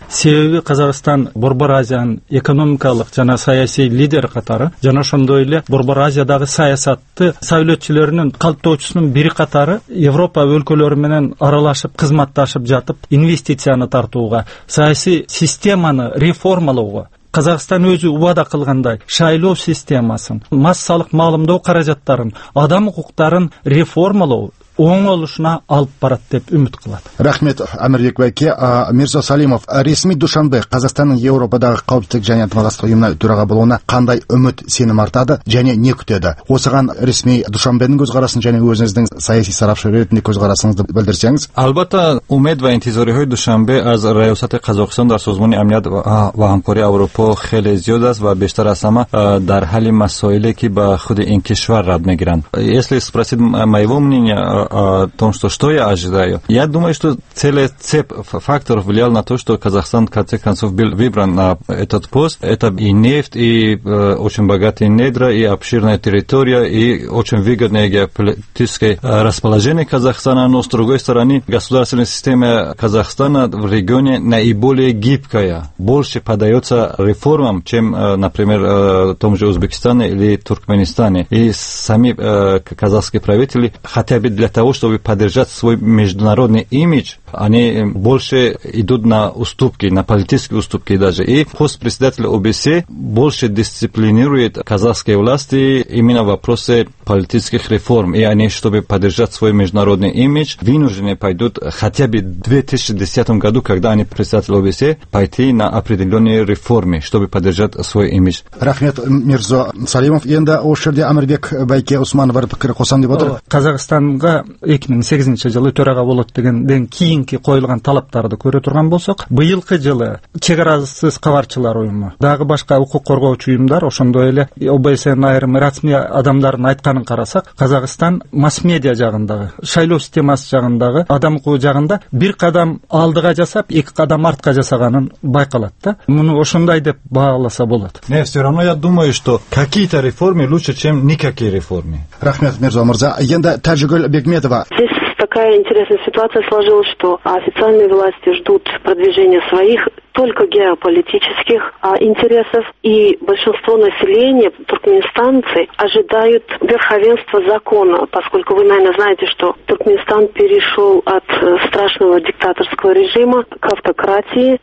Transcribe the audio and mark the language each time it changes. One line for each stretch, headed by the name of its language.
Kyrgyz: Себеби Казакстан Борбор Азиянын экономикалык жана саясий лидер катары жана ошондой эле Борбор Азиядагы саясатты савлетчилеринин калыптоочусунун бири катары Европа өлкөлөрү менен аралашып, кызматташып жатып, инвестицияны тартууга, саясий системаны реформалоого Казакстан өзү убада кылгандай шайлоо системасын, массалык маалымдоо каражаттарын, адам укуктарын реформалоо оңолушуна алып барат деп үмүт кылат. Рахмет Амирбек байке. Мирзо Салимов расмий Душанбе Казакстандын Европадагы Каупсуздук жана Ынтымакташтык уюмуна төрага болууна кандай үмүт сеним артады жана эмне күтөдү? Осуган расмий Душанбенин көз карасын жана өзүңүздүн саясий сарапчы ретинде көз карасыңызды билдирсеңиз.
Tajik: Албатта умед ва интизориҳои Душанбе аз раёсати Казакстан дар созмони амният ва ҳамкории Европа хеле зиёд аст ва бештар аз ҳама дар ҳалли масоиле ки ба худи ин кишвар рад мегиранд.
Russian: Если спросит моего мнения о том, что я ожидаю. Я думаю, что целая цепь факторов влияла на то, что Казахстан, в конце концов, был выбран на этот пост. Это и нефть, и очень богатые недра, и обширная территория, и очень выгодное геополитическое расположение Казахстана. Но, с другой стороны, государственная система Казахстана в регионе наиболее гибкая. Больше подается реформам, чем, например, в том же Узбекистане или Туркменистане. И сами казахские правители хотя бы для того, чтобы поддержать свой международный имидж, они больше идут на уступки, на политические уступки даже. И пост председателя ОБСЕ больше дисциплинирует казахские власти именно в вопросе политических реформ. И они, чтобы поддержать свой международный имидж, вынуждены пойдут хотя бы в 2010 году, когда они председатель ОБСЕ, пойти на определенные реформы, чтобы поддержать свой имидж.
Kazakh: Рахмет Мирзо Салимов. Енді ошерде Амирбек Байке Усманов барып пікір қосам деп отыр.
Kyrgyz: Казахстан 2008 жылы төрага болот дегенден кийинки коюлган талаптарды көрө турган болсок, быйылкы жылы чек арасыз кабарчылар уюму, дагы башка укук коргоочу уюмдар, ошондой эле ОБСЕнин айрым расмий адамдарын айтканын карасак, Казакстан масс-медиа жагындагы, шайлоо системасы жагындагы, адам укугу жагында бир кадам алдыга жасап, эки кадам артка жасаганын байкалат да. Муну ошондой деп бааласа болот.
Russian: Не, все равно я думаю, что какие-то реформы лучше, чем никакие реформы.
Kazakh: Рахмет Мирзо Мырза. Енді Тажигөл Бегметова.
Russian: Здесь такая интересная ситуация сложилась, что официальные власти ждут продвижения своих только геополитических интересов, и большинство населения туркменистанцы ожидают верховенства закона, поскольку вы, наверное, знаете, что Туркменистан перешел от страшного диктаторского режима к автократии.